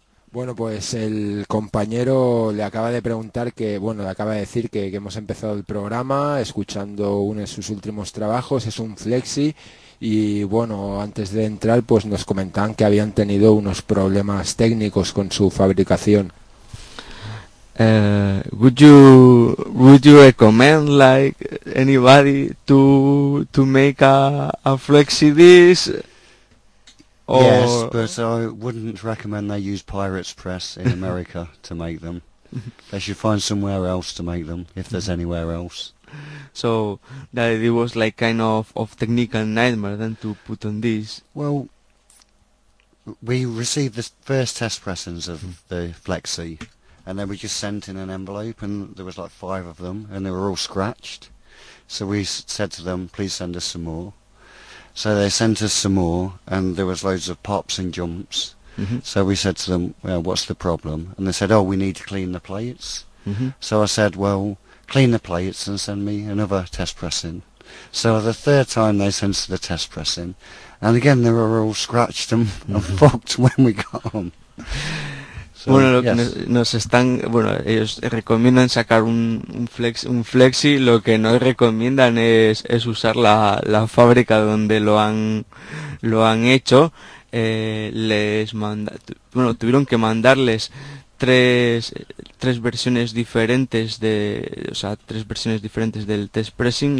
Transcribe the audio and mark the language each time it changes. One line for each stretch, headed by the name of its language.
Spanish: Bueno, pues el compañero le acaba de preguntar que, bueno, le acaba de decir que hemos empezado el programa escuchando uno de sus últimos trabajos, es un flexi. Y bueno, antes de entrar, pues nos comentaban que habían tenido unos problemas técnicos con su fabricación.
English: Would you recommend like anybody to make a flexi disc? Yes, but I wouldn't recommend they use Pirates Press in America to make them. They should find somewhere else to make them, if there's anywhere else. So that it was like kind of technical nightmare then to put on this. Well, we received the first test pressings of the Flexi, and they were just sent in an envelope, and there was like 5 of them, and they were all scratched. So we said to them, please send us some more. So they sent us some more, and there was loads of pops and jumps. Mm-hmm. So we said to them, well, what's the problem? And they said, oh, we need to clean the plates. Mm-hmm. So I said, well, clean the plates and send me another test pressing. So the third time they sent the test pressing, and again they were all scratched and fucked when we got home.
Spanish: So, bueno, lo yes. que nos están, bueno, ellos recomiendan sacar un flexi, lo que no recomiendan es usar la fábrica donde lo han hecho. Tuvieron que mandarles tres versiones diferentes del test pressing.